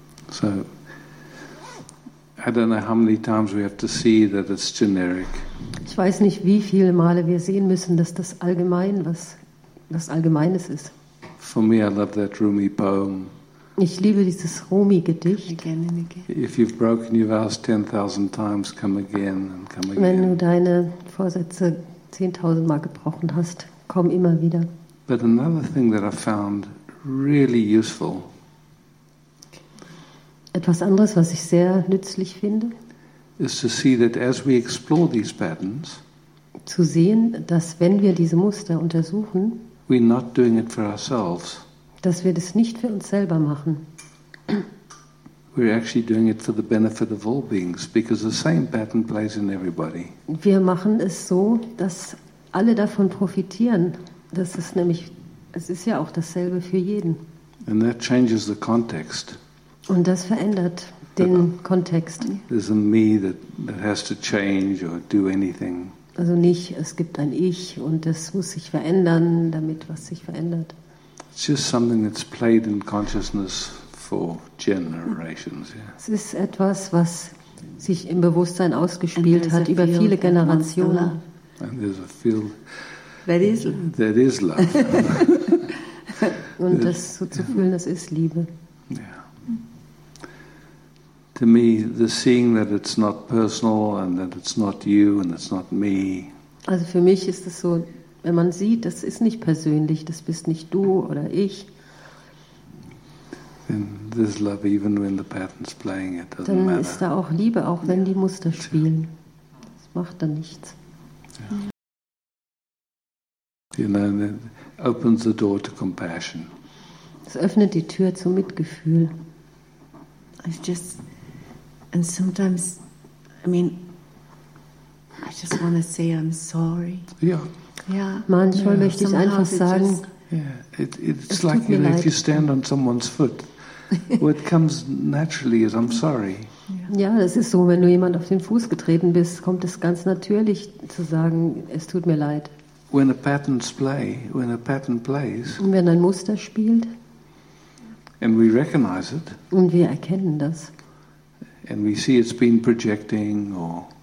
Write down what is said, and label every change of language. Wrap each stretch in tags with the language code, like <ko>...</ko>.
<en>So, I don't know how many times we have to see that it's generic.</en> <de>Ich weiß nicht, wie viele Male wir sehen müssen, dass das allgemein was Allgemeines ist.</de> <en>For me, I love that Rumi poem.</en> <de>Ich liebe dieses Rumi-Gedicht.</de> <en>Again and again. If you've broken your vows 10,000 times, come again and come again.</en> <de>Wenn du deine Vorsätze 10,000 Mal gebrochen hast, komm immer wieder.</de> <en>But another thing that I found really useful.</en> <de>Etwas anderes, was ich sehr nützlich finde,</de> <en>is to see that as we explore these patterns,</en> <de>zu sehen, dass wenn wir diese Muster untersuchen,</de> <en>we're not doing it for ourselves.</en> <de>Dass wir das nicht für uns selber machen.</de> <en>We're actually doing it for the benefit of all beings, because the same pattern plays in everybody.</en> <de>Wir machen es so, dass alle davon profitieren. Das ist nämlich, es ist ja auch dasselbe für jeden.</de> <en>And that changes the context.</en> <de>Und das verändert den Kontext.</de> <en>There's a me that has to change or do anything.</en> <de>Also nicht, es gibt ein Ich und das muss sich verändern, damit was sich verändert.</de> <en>It's just something that's played in consciousness for generations. Yeah.</en> <de>Es ist etwas, was sich im Bewusstsein ausgespielt hat über viele Generationen.</de> <en>And there's a field that is love. That is love.</en> <de>Und das so zu fühlen, das ist Liebe.</de> <en>To me, the seeing that it's not personal and that it's not you and it's not me.</en> <de>Also für mich ist es so, wenn man sieht, das ist nicht persönlich, das bist nicht du oder ich.</de> <en>Then there's love even when the pattern's playing it. Doesn't</en> <de>dann</de> <en>matter.</en> <de>Ist da auch Liebe, auch wenn die Muster spielen. Das macht dann nichts.</de> <en>Yeah. You know, it opens the door to compassion.</en> <de>Es öffnet die Tür zum Mitgefühl.</de> <en>It's just. And sometimes, I mean, I just want to say I'm sorry. Yeah.</en> <de>Manchmal möchte ich einfach sagen.</de> <en>It's like, you know, if you stand on someone's foot, what comes naturally is I'm sorry.</en> <de>Ja, das ist so, wenn du jemand auf den Fuß getreten bist, kommt es ganz natürlich zu sagen, es tut mir leid.</de> <en>When a pattern plays.</en> <de>Und wenn ein Muster spielt.</de> <en>And we recognize it.</en> <de>Und wir erkennen das.</de> <en>And we see it's been projecting or</en>